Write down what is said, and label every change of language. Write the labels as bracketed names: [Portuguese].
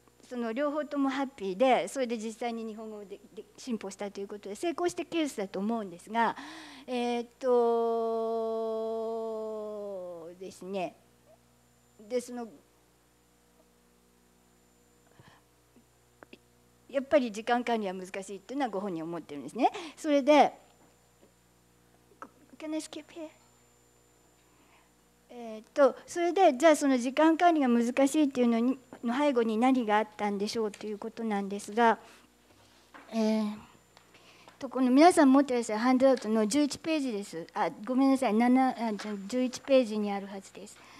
[Japanese] その両方ともハッピーで、それで実際に日本語で進歩したということで成功したケースだと思うんですが、ですね、でそのやっぱり時間管理は難しいというのはご本人は思ってるんですね。それで [English] Can I skip here? [Japanese] それでじゃあその時間管理が難しいっていうのにの背後に何があったんでしょうということなんですが、この皆さん持ってらっしゃるハンドアウトの11ページです。あ、ごめんなさい、11ページにあるはずです。